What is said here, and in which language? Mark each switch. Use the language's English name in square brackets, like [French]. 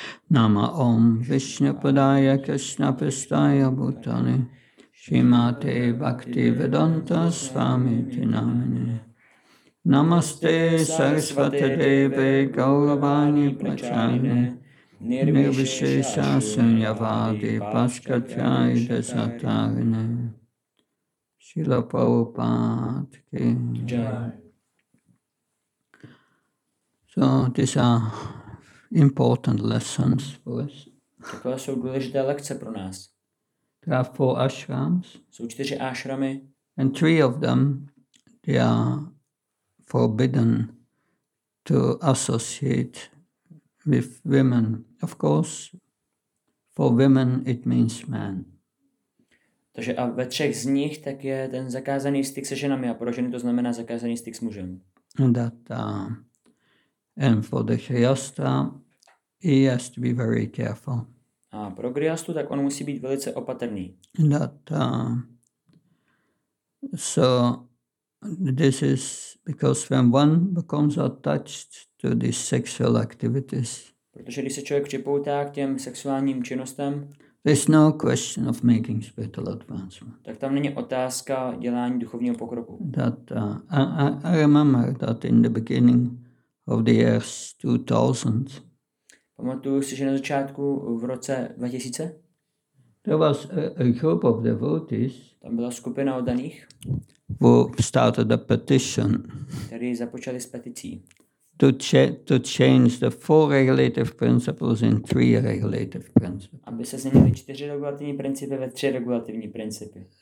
[Sanskrit] Nama Om Vishnu Padaya Krishna Pristaya Bhutale Shrimate Bhakti Vedanta Swami Tinamine Namaste Sarasvati Deve Gauravani Prachane Nirvishesha Sunyavadi Paskatyai Desatarine Srila Prabhupada ki. Jai. [English] So these are important lessons for us. [Czech] Takové jsou důležité lekce pro nás. [English] There are four ashrams. [Czech] Jsou čtyři ashramy. [English] And three of them, they are forbidden to associate with women. Of course, for women it means man. [Czech] Takže a ve třech z nich tak je ten zakázaný styk se ženami a pro ženy to znamená zakázaný styk s mužem. [English] That, and for the Kriyastra, he has to be very careful. [Czech] A pro Kriyastu tak on musí být velice opatrný. [English] That, so this is because when one becomes attached to these sexual activities. [Czech] Protože když se člověk připoutá k těm sexuálním činnostem, [English] there's no question of making spiritual advancement. [Czech] Tak tam není otázka dělání duchovního pokroku. [English] That I remember that in the beginning of the year 2000. [Czech] Pamatuju si, že na začátku v roce 2000. [English] There was a group of devotees. [Czech] Tam byla skupina oddaných. [English] Who started a petition. [Czech] Kteří započali s peticí. [English] To change the four regulative principles in three regulative principles. [Czech] Aby se změnily čtyři regulativní principy ve tři regulativní principy.